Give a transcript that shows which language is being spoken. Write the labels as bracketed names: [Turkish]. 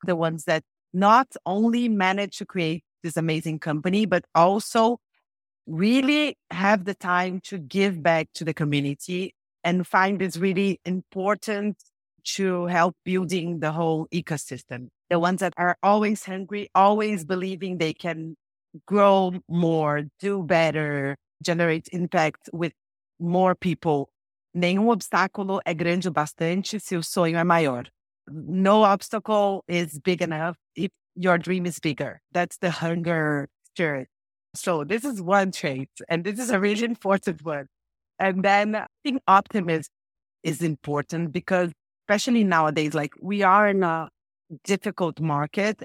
[English] The ones that not only manage to create this amazing company, but also really have the time to give back to the community and find this really important to help building the whole ecosystem. The ones that are always hungry, always believing they can grow more, do better, generate impact with more people. [Portuguese] Nenhum obstáculo é grande o bastante se o sonho é maior. [English] No obstacle is big enough if your dream is bigger. That's the hunger spirit. So this is one trait, and this is a really important one. And then I think optimism is important because especially nowadays, like, we are in a difficult market.